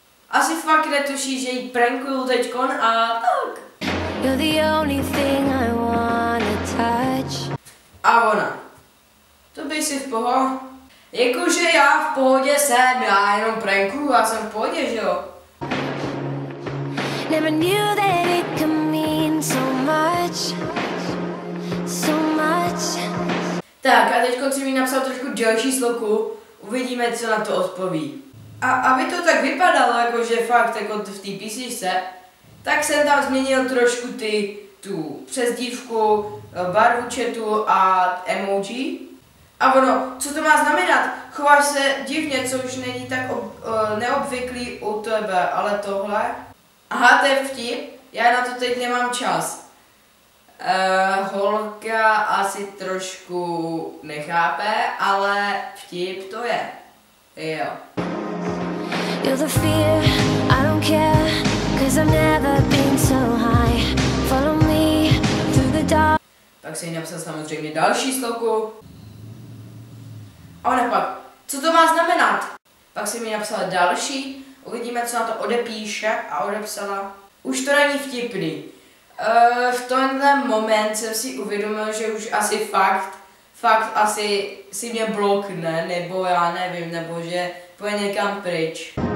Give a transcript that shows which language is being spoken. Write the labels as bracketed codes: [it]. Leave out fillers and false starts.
[cs] Asi fakt netuší, že jí prankuju teďkon a tak. [en] You're the only thing I wanna touch. [cs] A ona. To by si v pohodě. Jakože já v pohodě jsem, já jenom pranku, já jsem v pohodě, že jo? [en] Never knew that it could mean so much. So much. [cs] Tak a teďko si mi napsal trošku delší sloku. Uvidíme, co na to odpoví. A aby to tak vypadalo, jakože fakt jako v té písničce, tak jsem tam změnil trošku tu přezdívku, barvu chatu a emoji. A ono, co to má znamenat? Chováš se divně, co už není tak neobvyklý u tebe, ale tohle? Aha, to je vtip, já na to teď nemám čas. Holka asi trošku nechápe, ale vtip to je. Jo. [en] You're the fear, I don't care. Cause I've never been so high. Follow me through the dark. [cs] Tak si napsal samozřejmě další sloku. A ona pak, co to má znamenat? Pak si mi napsala další, uvidíme, co na to odepíše a odepsala. Už to není vtipný. V tomhle moment jsem si uvědomil, že už asi fakt asi si mě blokne, nebo já nevím, nebo že půjde někam pryč.